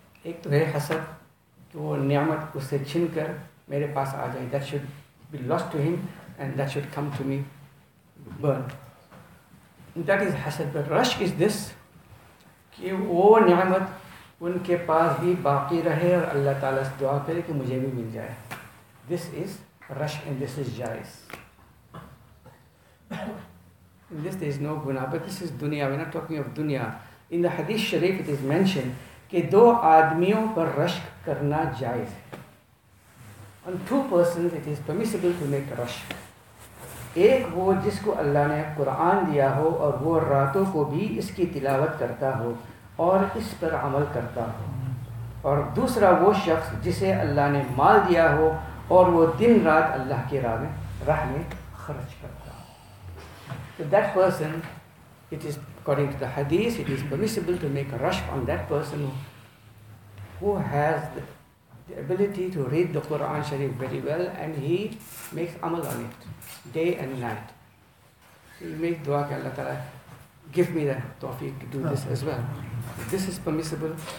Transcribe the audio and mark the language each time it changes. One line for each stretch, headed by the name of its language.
Hindi: एक तो है हसद कि वो नियामत उससे छिन कर मेरे पास आ जाए.
English: That should be lost to him and that should come to me burn. That is hasad. But rashk is this,
Hindi: कि वो नियामत उनके पास भी बाकी रहे और अल्लाह ताला से दुआ करे कि मुझे भी मिल जाए.
English: This is rashk and this is jais. In this there is no guna, but this is dunya. We're not talking of dunya. In the hadith sharif it is mentioned
Hindi: कि दो आदमियों पर रश्क करना जायज है.
English: On two persons it is permissible to make rashk.
Hindi: एक वो जिसको अल्लाह ने कुरान दिया हो और वो रातों को भी इसकी तिलावत करता हो और इस पर अमल करता हो, और दूसरा वो शख्स जिसे अल्लाह ने माल दिया हो और वो दिन रात अल्लाह के राह में खर्च करता हो.
English: That person, it is according to the hadith, it is permissible to make a rashk on that person who has the ability to read the Quran Sharif very well and he makes amal on it day and night. So you make dua, ke Allah Ta'ala, give me the tawfiq to do this as well. This is permissible.